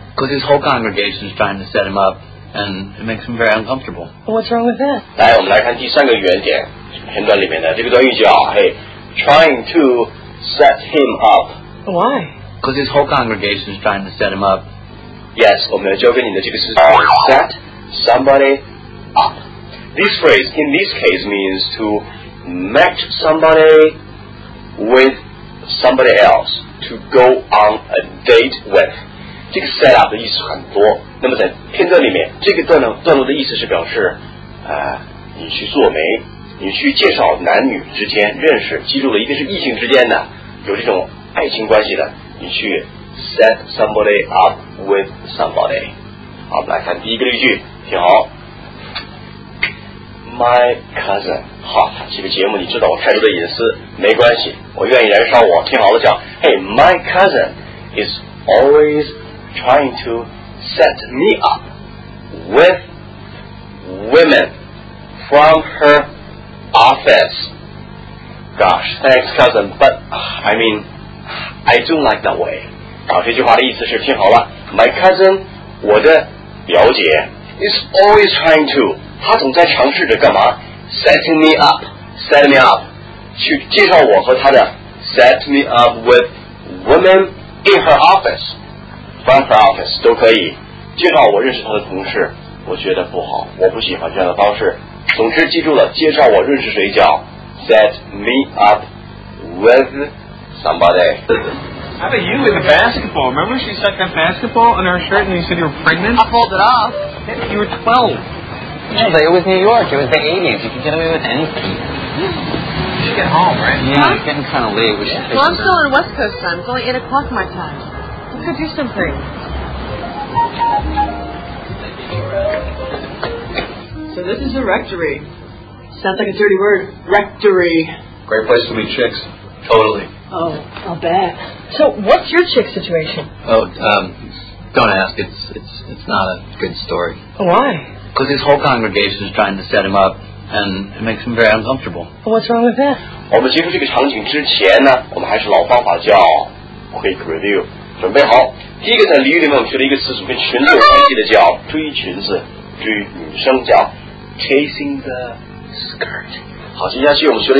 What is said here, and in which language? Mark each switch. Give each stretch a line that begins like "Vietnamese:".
English: Because his whole congregation is trying to set him up, and it makes him very uncomfortable. What's wrong with that?
Chinese: 来，我们来看第三个原点，片段里面的这个短语叫
English: Hey, trying to set him up. Why? Because his whole congregation is trying to set him up. Yes,
Chinese: 我们要教给你的这个是
English: set somebody up. This phrase in this case means to match somebody with somebody else to go on a date with.
Chinese: 这个 set up 的意思很多。那么在片段里面，这个段落的意思是表示，你去做媒，你去介绍男女之间认识，记录了一个是异性之间的有这种爱情关系的，你去
English: set somebody up with somebody.
Chinese: 好，我们来看第一个例句，听好。
English: My cousin,
Chinese: 好，这个节目你知道我太多的隐私，没关系，我愿意燃烧我，听好了讲。
English: Hey, my cousin is always trying to set me up with women from her office. Gosh, thanks, cousin. But, I mean, I do like that way.
Chinese: 这句话的意思是听好了。
English: My cousin,
Chinese: 我的表姐,
English: is always trying to,
Chinese: 她总在尝试着干嘛?
English: Setting me up.
Chinese: 去介绍我和她的,
English: set me up with women in her office. From her office,
Chinese: 都可以。介绍我认识她的同事, 我觉得不好, 我不喜欢这样的方式。总之记住了, 介绍我认识谁叫,
English: set me up with somebody. How about you with the basketball? Remember she stuck that basketball in her shirt and you said you were pregnant? I pulled it off. You were 12. No, but it was New York. It was the 80s. You could get away with anything. You should get home, right? Yeah, it's getting kind of late. We should I'm still on West Coast time. It's only 8 o'clock my time. Let's go do something. So this is a rectory. Sounds like a dirty word. Rectory. Great place to meet chicks. Totally. Oh, I'll bet. So, what's your chick situation? Don't ask. It's not a good story. Why? Because his whole congregation is trying to set him up, and it makes him very uncomfortable. What's wrong with that?
Chinese: 我们接触这个场景之前呢，我们还是老方法叫
English: quick review。
Chinese: 准备好，第一个在俚语里面我们学了一个词组，跟裙子有关系的叫追女生叫
English: chasing the skirt。